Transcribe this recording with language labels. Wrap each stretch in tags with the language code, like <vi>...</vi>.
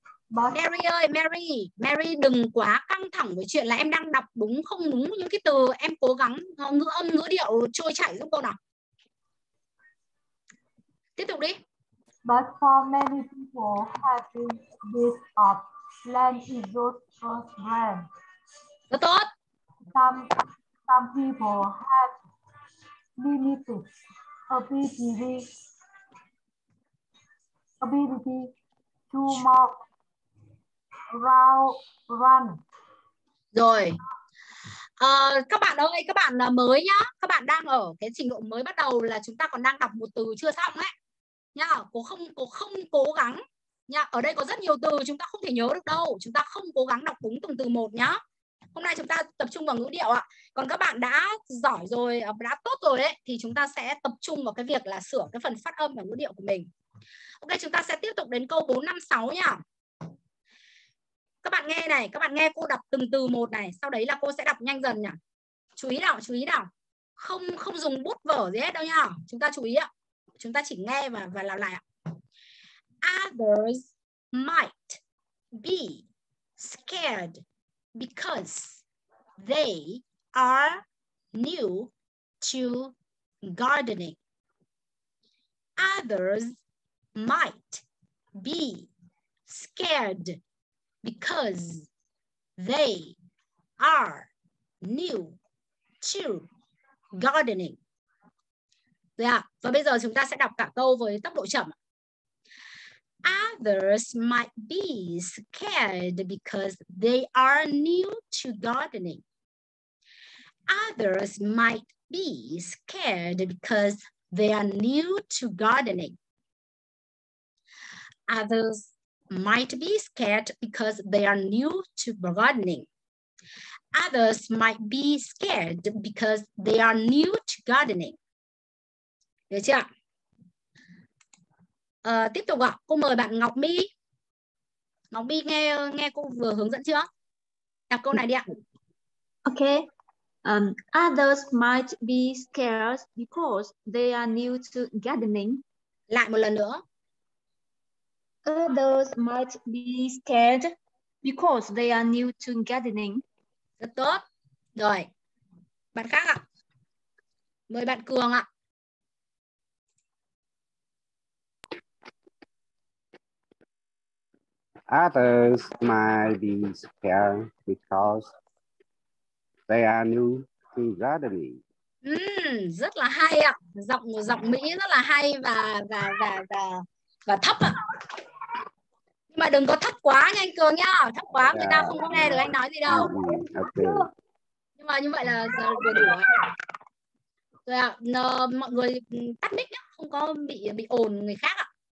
<vi>Mary ơi, Mary đừng quá căng thẳng với chuyện là em đang đọc đúng không đúng những cái từ, em cố gắng ngữ âm ngữ điệu trôi chảy giúp cô nào. Tiếp tục đi.</vi> <en>But for many people, having this of land is your first brand.</en> <vi>Rất tốt.</vi> <en>Some people have limited ability to walk run.</en> <vi>Rồi. Các bạn ơi, các bạn mới nhá, các bạn đang ở cái trình độ mới bắt đầu là chúng ta còn đang đọc một từ chưa xong ấy. Nha, cô không cố gắng nha. Ở đây có rất nhiều từ chúng ta không thể nhớ được đâu. Chúng ta không cố gắng đọc đúng từng từ một nhá. Hôm nay chúng ta tập trung vào ngữ điệu ạ. Còn các bạn đã giỏi rồi, đã tốt rồi ấy, thì chúng ta sẽ tập trung vào cái việc là sửa cái phần phát âm và ngữ điệu của mình. Ok, chúng ta sẽ tiếp tục đến câu 4, 5, 6 nhá. Các bạn nghe này, các bạn nghe cô đọc từng từ một này, sau đấy là cô sẽ đọc nhanh dần nhỉ. Chú ý nào. Không dùng bút vở gì hết đâu nhá. Chúng ta chú ý ạ. Chúng ta chỉ nghe và làm lại ạ.</vi> <en>Others might be scared because they are new to gardening. Others might be scared because they are new to gardening. Yeah.</en> <vi>Và bây giờ chúng ta sẽ đọc cả câu với tốc độ chậm.</vi> <en>Others might be scared because they are new to gardening. Others might be scared because they are new to gardening. Others might be scared because they are new to gardening. Others might be scared because they are new to gardening.</en> <vi>Được chưa? Tiếp tục ạ. Cô mời bạn Ngọc My. Ngọc My nghe cô vừa hướng dẫn chưa? Đọc câu này đi ạ.</vi> <en>Ok. Others might be scared because they are new to gardening.</en> <vi>Lại một lần nữa.</vi> <en>Others might be scared because they are new to gardening.</en> <vi>Rất tốt. Rồi. Bạn khác ạ. Mời bạn Cường ạ.</vi> <en>Others might be scared because they are new to gardening.</en> <vi>Rất là hay ạ. Giọng Mỹ rất là hay và thấp ạ. Nhưng mà đừng có thấp quá nha anh Cường nhá. Thấp quá người ta không có nghe được anh nói gì đâu.</vi> <en>Okay.</en> <vi>Nhưng mà như vậy là vừa đủ ạ. Rồi ạ, mọi người tắt mic nhá, không có bị ồn người khác ạ.</vi>